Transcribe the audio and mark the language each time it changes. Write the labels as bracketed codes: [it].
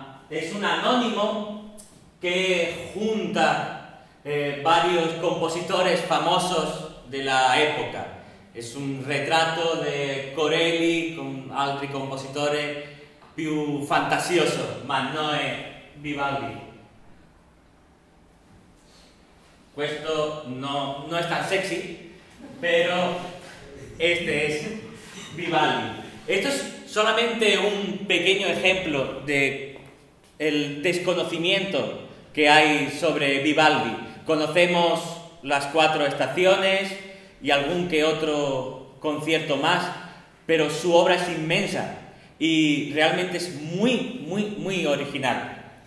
[es] Es un anónimo que junta varios compositores famosos de la época. Es un retrato de Corelli [it] con altri compositori più fantasioso, ma non è Vivaldi. Questo non è tan sexy, però [es] este es Vivaldi. Esto es solamente un pequeño ejemplo de el desconocimiento que hay sobre Vivaldi. Conocemos las cuatro estaciones y algún que otro concierto más, pero su obra es inmensa y realmente es muy, muy, muy original.